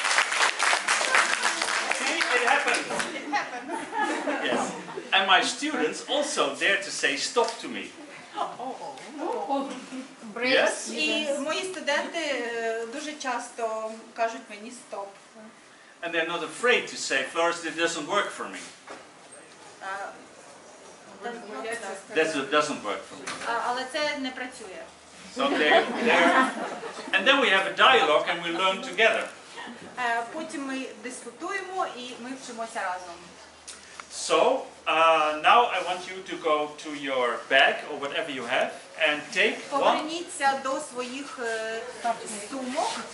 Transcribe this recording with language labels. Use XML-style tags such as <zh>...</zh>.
<en>See, it happened. Yes. And my students also dare to say stop to me. Yes.</en> <uk>І мої студенти дуже часто кажуть мені стоп.</uk> <en>And they're not afraid to say, Flores, it doesn't work for me. That doesn't work for me.</en> <uk>Але це не працює.</uk> <en>So there. And then we have a dialogue and we learn together.</en> <uk>Потім ми дискутуємо і ми вчимося разом.</uk> <en>So, now I want you to go to your bag or whatever you have and take one.</en> <uk>Поверніться до своїх сумок</uk>